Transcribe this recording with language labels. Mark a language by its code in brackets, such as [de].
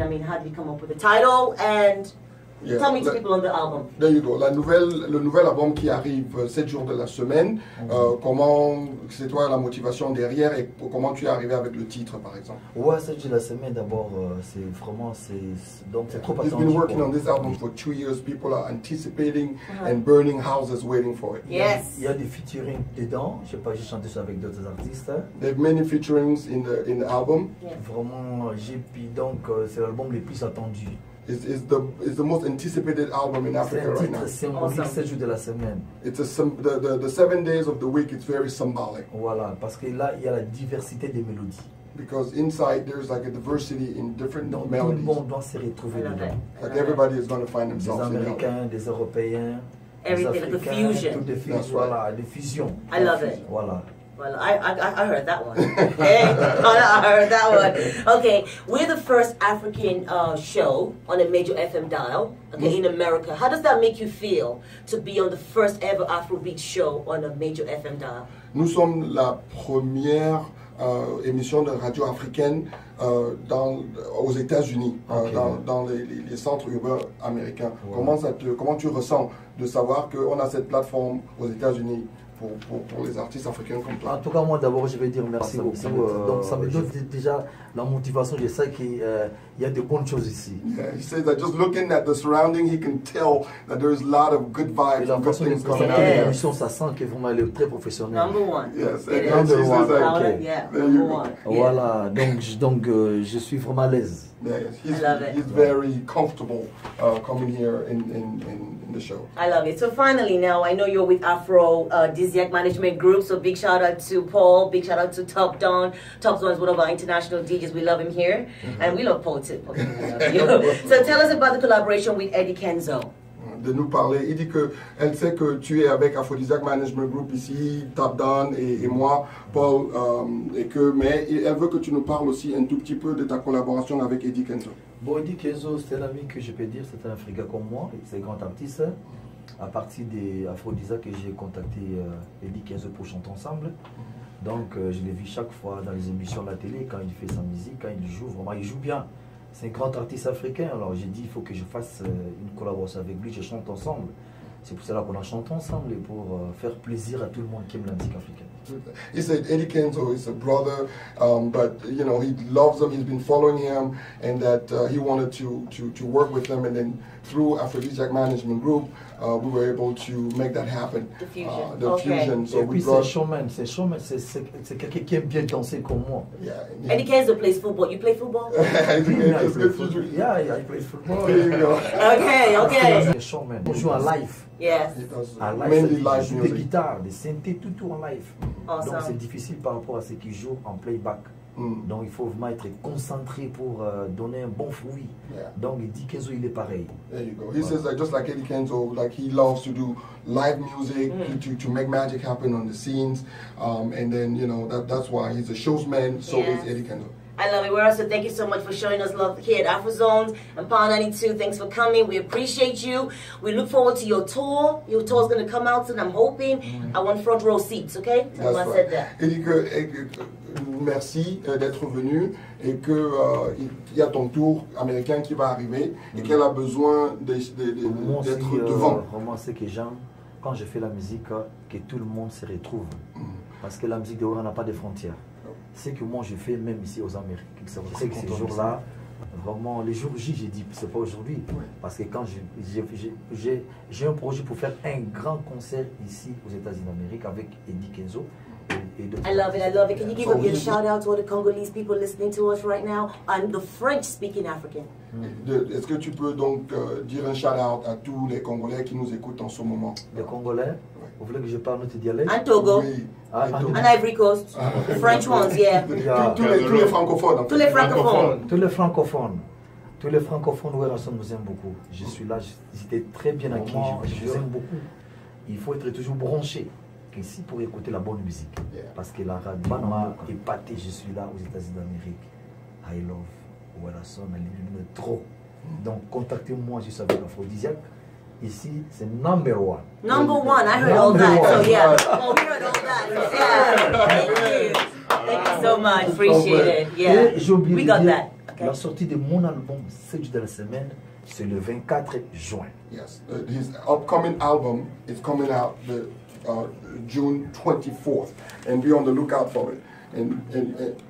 [en] I mean, how did you come up with the title? And yeah, tell me to people on the album. There you go. [fr] Le nouvel album qui arrive 7 jours de la semaine. Comment c'est toi la motivation derrière et comment tu es arrivé avec le titre par exemple? Ouais, 7 jours de la semaine. D'abord, c'est vraiment c'est trop attendu. [en] He's been working on this album for 2 years. People are anticipating and burning houses waiting for it. Yes. [fr] Il y a des featuring dedans. Je sais pas, j'ai chanté ça avec d'autres artistes. [en] There are many featurings in the album. Yeah. [fr] Vraiment, j'ai puis donc c'est l'album le plus attendu. [en] It's the most anticipated album in Africa right now. It's the 7 days of the week. It's very symbolic. [fr] Voilà, parce que là il y a la diversité des mélodies. [en] Because inside there's like a diversity in different melodies. [fr] Tout le monde doit se retrouver dedans. [en] Like everybody is going to find themselves. [fr] Des Américains, des Européens, [en] everything, like the fusion. [fr] Voilà, la fusion. [en] I love it. [fr] Voilà. [en] Well, I heard that one. Hey, I heard that one. Okay, we're the first African show on a major FM dial, okay, mm-hmm, in America. How does that make you feel to be on the first ever Afrobeat show on a major FM dial? [fr] Nous sommes la première émission de radio africaine aux États-Unis, okay, dans les centres urbains américains. Wow. Comment tu ressens de savoir qu'on a cette plateforme aux États-Unis pour les artistes africains comme toi? En tout cas, moi d'abord, je vais dire merci beaucoup. Donc, ça me donne déjà la motivation. Je sais qu'il y a de bonnes choses ici. [en] Yeah, he says that just looking at the surrounding, he can tell that there is a lot of good vibes. [fr] La façon dont vous présentez l'émission, ça sent que vraiment elle est très professionnelle. [en] Number one. Yes, number one. Okay. Yeah, number one. [fr] Voilà, donc je suis vraiment à l'aise. [en] Yeah, yes. He's very comfortable coming here in the show. I love it. So finally, now I know you're with Afro Dizziac Management Group. So big shout out to Paul. Big shout out to Top Don. Top Don is one of our international DJs. We love him here, mm-hmm, and we love Paul too. Okay, love so tell us about the collaboration with Eddy Kenzo. [fr] De nous parler. Il dit qu'elle sait que tu es avec Aphrodisiac Management Group ici, Top Don et moi, Paul, mais elle veut que tu nous parles aussi un tout petit peu de ta collaboration avec Eddy Kenzo. Bon, Eddy Kenzo, c'est un ami que je peux dire, c'est un Africain comme moi, c'est un grand artiste. À partir des Aphrodisiac, j'ai contacté Eddy Kenzo pour chanter ensemble. Donc, je l'ai vu chaque fois dans les émissions de la télé, quand il fait sa musique, quand il joue, vraiment, il joue bien. C'est un grand artiste africain, alors j'ai dit il faut que je fasse une collaboration avec lui, je chante ensemble. C'est pour cela qu'on a chanté ensemble et pour faire plaisir à tout le monde qui aime la musique africaine. [en] He said Eddy Kenzo is a brother, but you know he loves him, he's been following him, and that he wanted to work with him, and then through Afrodisiac Management Group, we were able to make that happen. The fusion. So we brought. [fr] C'est showman. C'est quelqu'un qui aime bien danser comme moi. [en] Yeah. Eddy Kenzo plays football. You play football? Eddy Kenzo plays football. Yeah, yeah, he plays football. There you go. Okay. [fr] Showman. On joue en live. [en] Yes. Mainly live music. [fr] Des guitares, des synthés, tout en live. [en] Awesome. [fr] Donc c'est difficile par rapport à ce qu'il joue en playback. Mm. Donc il faut vraiment être concentré pour donner un bon fruit. [en] Yeah. [fr] Donc Eddy Kenzo il est pareil. [en] There you go. He says that just like Eddy Kenzo, like he loves to do live music, mm, to make magic happen on the scenes, and then you know that's why he's a showman. So yes, is Eddy Kenzo. I love it. Werrason, thank you so much for showing us love here at Afrozones and Power 92. Thanks for coming. We appreciate you. We look forward to your tour. Your tour is going to come out soon, I'm hoping. Mm-hmm. I want front row seats, okay? That's right. Said that. [fr] Et que merci d'être venu et que il y a ton tour américain qui va arriver et, mm-hmm, qu'elle a besoin d'être aussi, devant. Vraiment, c'est que j'aime quand je fais la musique, que tout le monde se retrouve. Mm-hmm. Parce que la musique de Werrason n'a pas de frontières. C'est que moi je fais même ici aux Amériques. C'est vrai que ces jours-là, vraiment, les jours J, j'ai dit, c'est pas aujourd'hui. Ouais. Parce que quand j'ai un projet pour faire un grand concert ici aux États-Unis d'Amérique avec Eddy Kenzo. [en] I love it, I love it. Can you give a shout out to all the Congolese people listening to us right now and the French speaking African? [fr] Est-ce que tu peux donc dire un shout out à tous les Congolais qui nous écoutent en ce moment? Les Congolais? Oui. Vous voulez que je parle notre dialecte? [en] And Togo. [fr] Oui. [en] And Ivory Coast. The French ones, yeah. [fr] Tous les francophones. Tous les francophones. Tous les francophones, Werrason nous aime beaucoup. Je suis là, j'étais très bien accueilli. Je vous aime beaucoup. Il faut être toujours branché ici pour écouter la bonne musique, [en] yeah, [fr] parce que la radio m'a épaté. Je suis là aux États-Unis d'Amérique. [en] I love Werrason, [fr] elle m'aime trop. Donc contactez-moi, je suis avec Aphrodisiac. Ici, c'est [en] number one. Number one, I heard number all that. One. So yeah, oh, we heard all that. Yeah. Thank you. Thank you so much, appreciate it. Yeah, [fr] j'ai oublié [en] we got that. Okay. [fr] La sortie de mon album, c'est de la semaine, c'est le 24 juin. [en] Yes, his upcoming album is coming out the June 24th, and be on the lookout for it.